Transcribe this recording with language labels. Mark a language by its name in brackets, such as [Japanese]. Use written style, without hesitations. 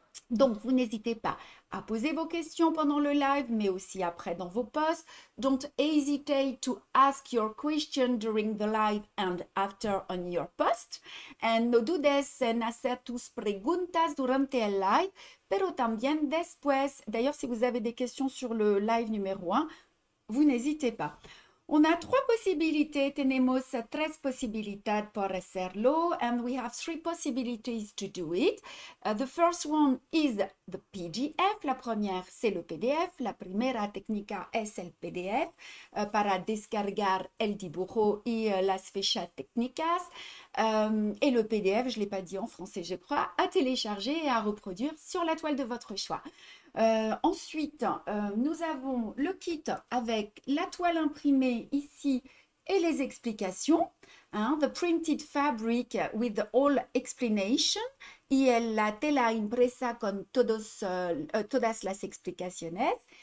[French] Donc, vous n'hésitez pas à poser vos questions pendant le live, mais aussi après dans vos posts. [English] Don't hesitate to ask your question during the live and after on your post. [Spanish] And no dudes en hacer tus preguntas durante el live, pero también después. [French] D'ailleurs, si vous avez des questions sur le live numéro 1, vous n'hésitez pas. On a trois possibilités. [Spanish] Tenemos tres posibilidades por hacerlo. [English] And we have three possibilities to do it. The first one is the PDF. [French] La première, c'est le PDF. [Spanish] La primera técnica es el PDF para descargar el dibujo y las fichas técnicas. [French] Et le PDF, je ne l'ai pas dit en français, je crois, à télécharger et à reproduire sur la toile de votre choix. Ensuite, nous avons le kit avec la toile imprimée ici et les explications. [English] Hein, the printed fabric with all explanation. [Spanish] Y la tela impresa con todas las explicaciones.